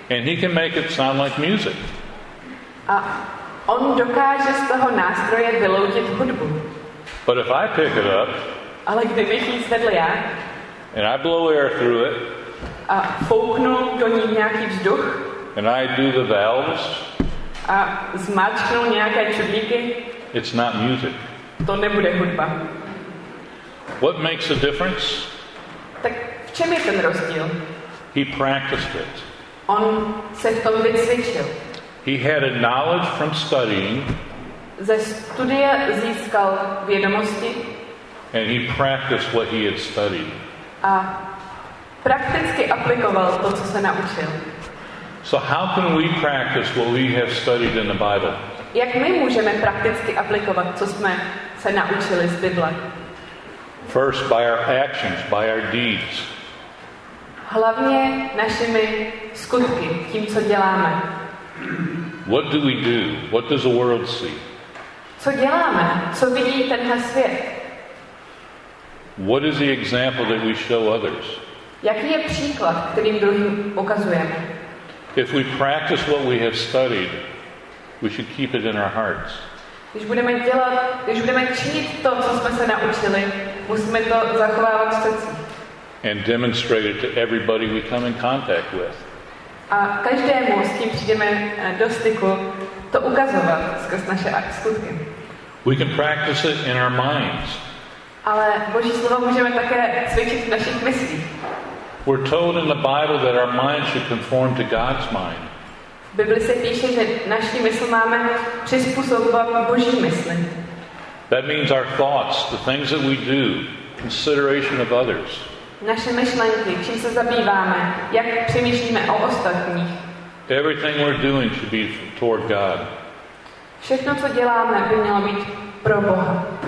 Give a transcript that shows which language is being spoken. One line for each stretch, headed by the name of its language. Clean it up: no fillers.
English: And he can make it sound like music.
Czech: A on dokáže z toho nástroje vyloudit hudbu.
English: But if I pick it up,
Czech: ale kdybych jí sedl já,
English: and I blow air through it,
Czech: a fouknu do ní nějaký vzduch,
English: and I do the valves,
Czech: a zmáčknu nějaké čudlíky,
English: it's not music.
Czech: To nebude hudba.
English: What makes a difference?
Czech: Tak v čem je ten rozdíl?
English: He practiced it.
Czech: On se v tom vycvičil.
English: He had a knowledge from studying.
Czech: Ze studia získal vědomosti.
English: And he practiced what he had studied.
Czech: A prakticky aplikoval to, co se naučil.
English: So how can we practice what we have studied in the Bible?
Czech: Jak my můžeme prakticky aplikovat, co jsme se naučili z Bible?
English: First, by our actions, by our deeds.
Czech: hlavně našimi skutky, tím, co děláme.
English: What do we do? What does the world see?
Czech: Co děláme? Co vidí tenhle svět?
English: What is the example that we show others?
Czech: Jaký je příklad, kterým druhým ukazujeme?
English: If we practice what we have studied, we should keep it in our hearts.
Czech: Když budeme činit to, co jsme se naučili, musíme to zachovávat v srdci.
English: And demonstrate it to everybody we come in contact with.
Czech: A každému, s kým přijdeme do styku, to ukazovat skrz naše skutky.
English: We can practice it in our minds.
Czech: Ale Boží slovo můžeme také cvičit v našich myslích.
English: We're told in the Bible that our mind should conform to God's mind.
Czech: V Bibli se píše, že naši mysl máme přizpůsobovat Boží mysli.
English: That means our thoughts, the things that we do, consideration of others.
Czech: Naše myšlenky, čím se zabýváme, jak přemýšlíme o ostatních.
English: Everything we're doing should be toward God.
Czech: Všechno, co děláme, by mělo být pro Boha.